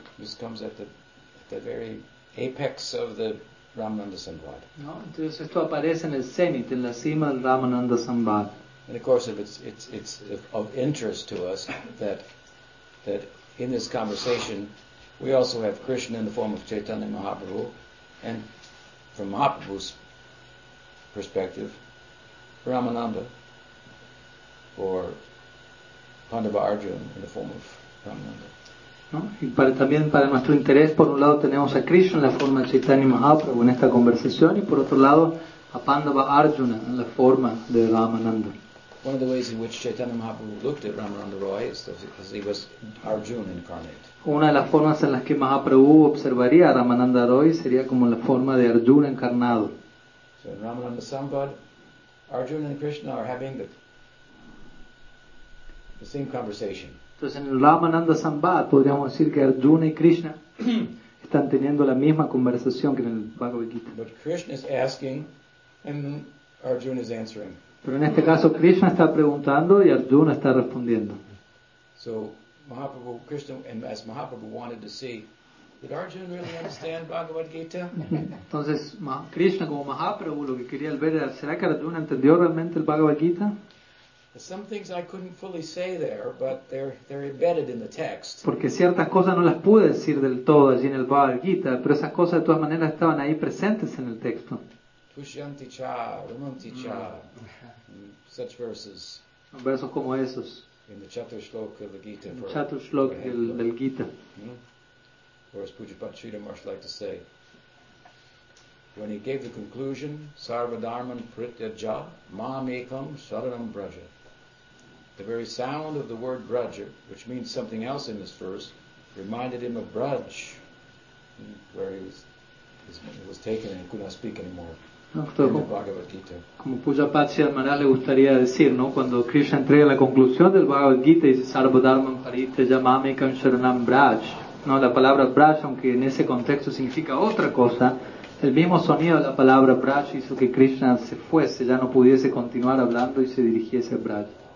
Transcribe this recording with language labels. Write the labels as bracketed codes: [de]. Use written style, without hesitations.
[en] This comes at the very apex of the Ramananda Sambhava. [es] ¿No? Entonces esto aparece en el cenit, en la cima del Ramananda Sambhava. [en] And of course, if it's of interest to us that in this conversation. We also have Krishna in the form of Chaitanya Mahaprabhu, and from Mahaprabhu's perspective, Ramananda, or Pandava Arjuna in the form of Ramananda. [es] No, y para también para nuestro interés, por un lado tenemos a Krishna en la forma de Chaitanya Mahaprabhu en esta conversación, y por otro lado a Pandava Arjuna en la forma de Ramananda. [en] One of the ways in which Chaitanya Mahaprabhu looked at Ramananda Roy is because he was Arjuna incarnate. [es] Una de las formas en las que Mahaprabhu observaría a Ramananda Roy sería como la forma de Arjuna encarnado. [en] So in Ramananda Sambhava, Arjuna and Krishna are having the same conversation. [es] Entonces en Ramananda Sambhava podríamos decir que Arjuna y Krishna están teniendo la misma conversación que en el Bhagavad Gita. [en] But Krishna is asking and Arjuna is answering. [es] Pero en este caso Krishna está preguntando y Arjuna está respondiendo. [en] So Mahaprabhu, Krishna, and as Mahaprabhu wanted to see, did Arjuna really understand Bhagavad Gita? [es] Entonces Krishna como Mahaprabhu lo que quería ver era, ¿será que Arjuna entendió realmente el Bhagavad Gita? [en] Some things I couldn't fully say there, but they're embedded in the text. [es] Porque ciertas cosas no las pude decir del todo allí en el Bhagavad Gita, pero esas cosas de todas maneras estaban ahí presentes en el texto. [sa] Pushyanti cha, rumanti cha. [en] Such verses. [es] Versos como esos. [en] In the chatur shloka of the Gita. [es] En el chatur shloka del Gita. [en] Or as Pujapati Sridhar Maharshi liked to say, when he gave the conclusion, [sa] sarva dharman prityaja, mam ekam saranam braja. [en] The very sound of the word braja, which means something else in this verse, reminded him of Braj, where he was taken and could not speak anymore. [es] Como Pujapati Sridhar Maharaj le gustaría decir, ¿no? Cuando Krishna entrega la conclusión del Bhagavad Gita y dice [sa] Sarva Dharma Parita Yamame Kam Sharanam Braj, [es] ¿no? La palabra Braj, aunque en ese contexto significa otra cosa, El mismo sonido de la palabra Braj hizo que Krishna se fuese, ya no pudiese continuar hablando y se dirigiese a Braj.